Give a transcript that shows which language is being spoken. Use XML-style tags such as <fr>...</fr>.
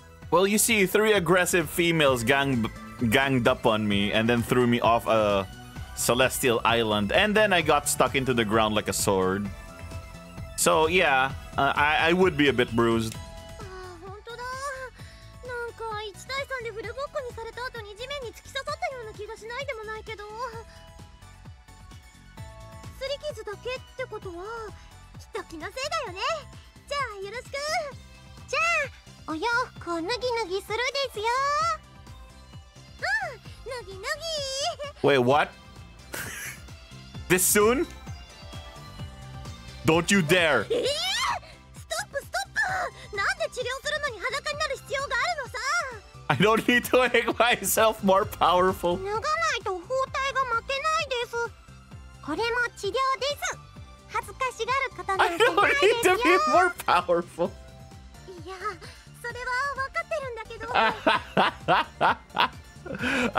<en>Well, you see, three aggressive females ganged up on me and then threw me off a celestial island. And then I got stuck into the ground like a sword. So, yeah, I would be a bit bruised.</en> <ja>Ah, 本当だ。なんか1対3でフルボッコにされた後に地面に突き刺さったような気がしないでもないけど。擦り傷だけってことは、きっと気のせいだよね。じゃあ、よろしく。じゃあ。お洋服を脱ぎ脱ぎするですよ。うん、脱ぎ脱ぎ。</ja> <en>Wait, what? This soon? Don't you dare!</en> <ja>ストップストップ。なんで治療するのに裸になる必要があるのさ。</ja> <en>I don't need to make myself more powerful.</en> <ja>脱がないと包帯が負けないです。これも治療です。恥ずかしがることなんてないですよ。</ja> <en>I don't need to be more powerful.</en> <ja>いや。それは分かってるんだけど。</ja>